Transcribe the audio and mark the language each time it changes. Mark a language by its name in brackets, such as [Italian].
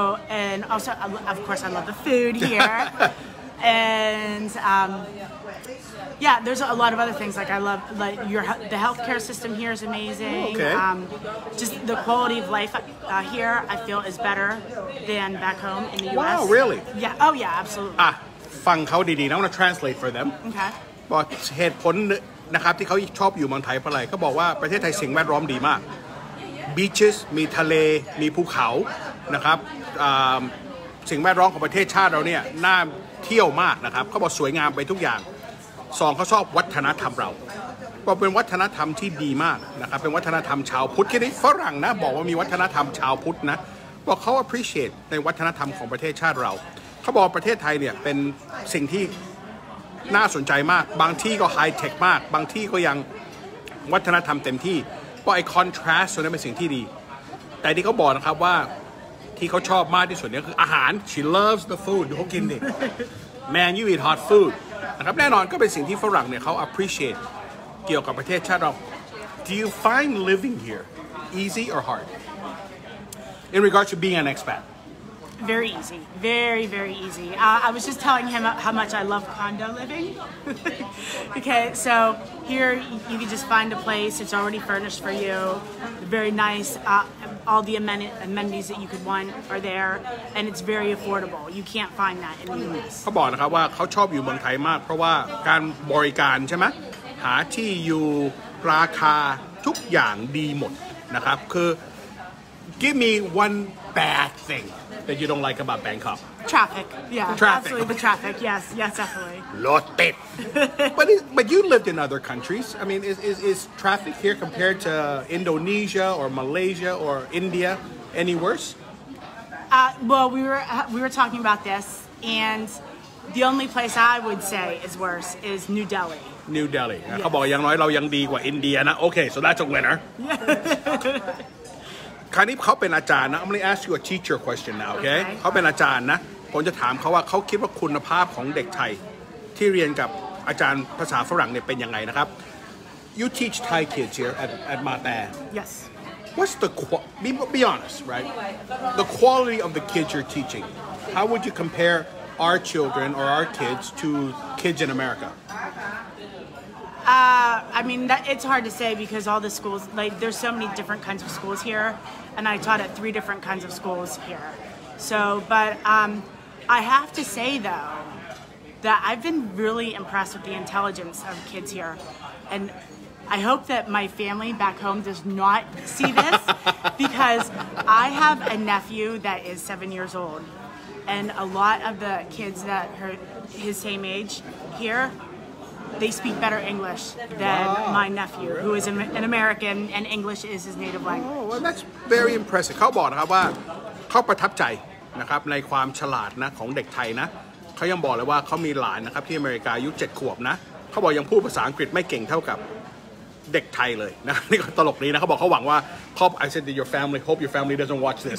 [English] And also, of course, I love the food here, and there's a lot of other things. Like I love like the healthcare system here is amazing. Ooh, okay. Just the quality of life here, I feel, is better than back home in the U.S. Wow, really? Yeah. Oh, yeah. Absolutely. [Thai] ฟังเขาดีๆ [English] I'm gonna translate for them. Okay. [Thai] บอกเหตุผลนะครับที่เขาชอบอยู่เมืองไทยเพราะอะไรเขาบอกว่าประเทศไทยสิ่งแวดล้อมดีมากbeaches มีทะเลมีภูเขานะครับสิ่งแวดล้อมของประเทศชาติเราเนี่ยน่าเที่ยวมากนะครับเขาบอกสวยงามไปทุกอย่างสองเขาชอบวัฒนธรรมเราบอกเป็นวัฒนธรรมที่ดีมากนะครับเป็นวัฒนธรรมชาวพุทธแค่นี้ฝรั่งนะบอกว่ามีวัฒนธรรมชาวพุทธนะบอกเขา appreciate ในวัฒนธรรมของประเทศชาติเราเขาบอกประเทศไทยเนี่ยเป็นสิ่งที่ น่าสนใจมากบางที่ก็ไฮเทคมากบางที่ก็ยังวัฒนธรรมเต็มที่ก็ไอคอนทราสต์ตรงนั้นเป็นสิ่งที่ดีแต่ที่เขาบอกนะครับว่าที่เขาชอบมากที่สุดเนี่ยคืออาหาร [English] she loves the food [Thai] เขากินดิ [English] man you eat hot food [Thai] นะครับแน่นอนก็เป็นสิ่งที่ฝรั่งเนี่ยเขา appreciate เกี่ยวกับประเทศชาติเรา [English] do you find living here easy or hard in regards to being an expat very easy very easy I was just telling him how much I love condo living okay so here you can just find a place it's already furnished for you very nice all the amenities that you could want are there and it's very affordable you can't find that in the US [Thai] เขาบอกนะครับว่าเขาชอบอยู่เมืองไทยมากเพราะว่าการบริการใช่ไหมหาที่อยู่ราคาทุกอย่างดีหมดนะครับคือ [English] give me one bad thing that you don't like about Bangkok? Traffic. Yeah. Traffic. Absolutely the traffic. Yes. Yes, definitely. Lot bit. But you lived in other countries. I mean, is traffic here compared to Indonesia or Malaysia or India any worse? Well, we were talking about this, and the only place I would say is worse is New Delhi. New Delhi. Yes. How about Yangnoi Lao Yangdi or Indiana? Okay, so that's a winner. [Thai] คราวนี้เขาเป็นอาจารย์นะ [English] I'm gonna ask you a teacher question now okay [Thai] เขาเป็นอาจารย์นะผมจะถามเขาว่าเขาคิดว่าคุณภาพของเด็กไทยที่เรียนกับอาจารย์ภาษาฝรั่งเนี่ยเป็นยังไงนะครับ [English] You teach Thai kids here at Mater Yes What's the be honest right the quality of the kids you're teaching How would you compare our children or our kids to kids in America I mean, that, it's hard to say because all the schools, like, there's so many different kinds of schools here, and I taught at three different kinds of schools here. So, but I have to say, though, that I've been really impressed with the intelligence of kids here. And I hope that my family back home does not see this, because I have a nephew that is 7 years old, and a lot of the kids that are his same age here... They speak better English than my nephew, really? Who is an American, and English is his native language. Oh, well, that's very impressive. [Thai] เขาบอกนะครับว่าเขาประทับใจนะครับในความฉลาดนะของเด็กไทยนะเขายังบอกเลยว่าเขามีหลานนะครับที่อเมริกาอายุ7 ขวบนะเขาบอกยังพูดภาษาอังกฤษไม่เก่งเท่ากับเด็กไทยเลยนะนี่ก็ตลกนี้นะเขาบอกเขาหวังว่า [English] I said to your family, hope your family doesn't watch this.